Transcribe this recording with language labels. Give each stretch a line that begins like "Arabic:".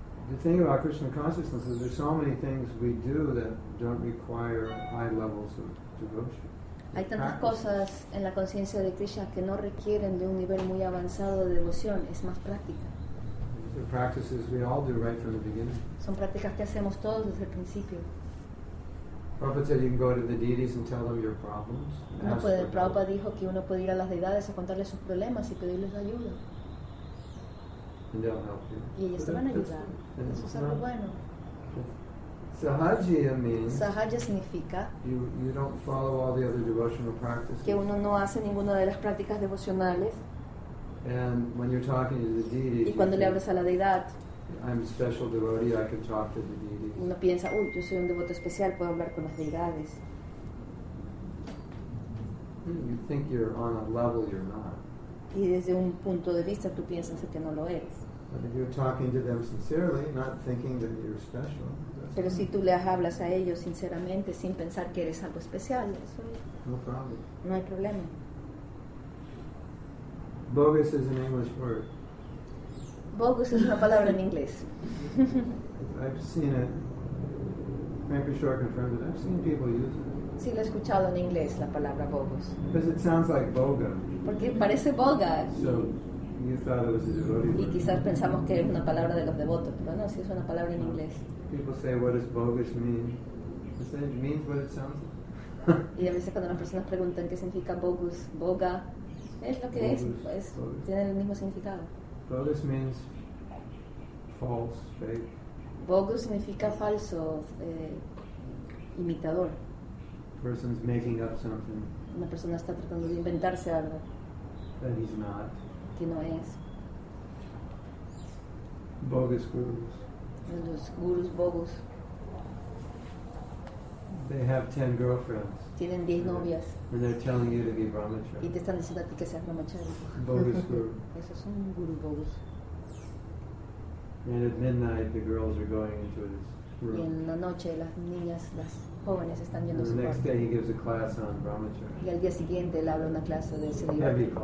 English: The thing about Krishna consciousness is there's so many things we do that don't require high levels of devotion.
Spanish: Hay tantas cosas en la conciencia de Krishna que no requieren de un nivel muy avanzado de devoción, es más práctica.
English: The practices we all do right from the beginning.
Spanish: Son prácticas que hacemos todos desde el principio.
English: Prabhupada said you can go to the deities and tell them your problems.
Spanish: No puede, Prabhupada dijo que uno puede ir a las deidades a contarles sus problemas y pedirles ayuda.
English: And they'll help you.
Spanish: Y ellos te van a ayudar. Eso es
English: not,
Spanish: algo bueno.
English: Sahajya means.
Spanish: Sahajya significa.
English: You don't follow all the other devotional practices.
Spanish: Que uno no hace ninguna de las prácticas devocionales.
English: And when you're talking to the deity.
Spanish: Y cuando le hablas a la deidad.
English: I'm a special devotee. I can talk to the deities.
Spanish: Uno piensa, uy, yo soy un devoto especial. Puedo hablar con las deidades.
English: You think you're on a level you're not.
Spanish: Y desde un punto de vista tú piensas que no lo eres.
English: But if you're talking to them sincerely, not thinking that you're special.
Spanish: Pero si tú le hablas a ellos sinceramente sin pensar que eres algo especial, eso es.
English: No problem.
Spanish: No hay problema.
English: Bogus is an English word.
Spanish: Bogus es una palabra en inglés.
English: I've seen it. Maybe sure confirmed it. I've seen people use it.
Spanish: Sí, lo he escuchado en inglés, la palabra bogus.
English: Because it sounds like boga.
Spanish: Porque parece boga.
English: So you thought it was a devotee word.
Spanish: Y quizás pensamos que es una palabra de los devotos, pero no, sí es una palabra en inglés.
English: People say, what does bogus mean? They say, it means what it sounds like.
Spanish: Y a veces cuando las personas preguntan qué significa bogus, boga, es lo que bogus, es, pues, bogus. Tiene el mismo significado.
English: Bogus means false, fake.
Spanish: Bogus significa falso, imitador.
English: Person's making up something.
Spanish: Una persona está tratando de inventarse algo.
English: That he's not.
Spanish: Que no es.
English: Bogus gurus.
Spanish: Los gurus bogus.
English: They have 10 girlfriends.
Spanish: Tienen 10 novias.
English: And they're telling you to be brahmachari.
Spanish: Y te están diciendo a ti que seas brahmachari.
English: Bogus guru.
Spanish: Esos son gurus bogus.
English: And at midnight, the girls are going into his.
Spanish: Y en la noche las niñas, las jóvenes están yendo a su cuarto. Y al día siguiente él habla una clase de ese libro.